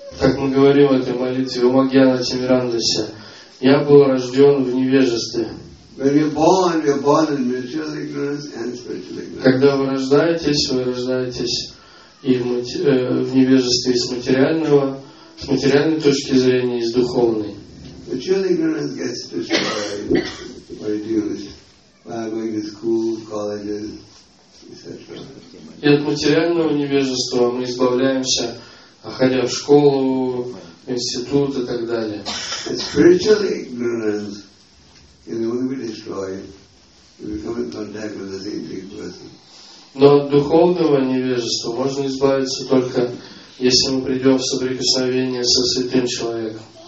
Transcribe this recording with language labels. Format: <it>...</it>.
<ru>Так мы говорим в этой молитве, Ом Агьяна Тимирандасья. Я был рожден в невежестве.</ru> <en>When you're born in material ignorance and spiritual ignorance.</en> <ru>Когда вы рождаетесь в невежестве из материального, с материальной точки зрения и с духовной.</ru> <en>Material ignorance gets destroyed by going to school, colleges, etc.</en> <ru>И от материального невежества мы избавляемся, ходя в школу, в институт и так далее.</ru> <en>And spiritual ignorance can only be destroyed if we come in contact with the saintly person.</en> <ru>Но от духовного невежества можно избавиться только если мы придем в соприкосновение со святым человеком.</ru>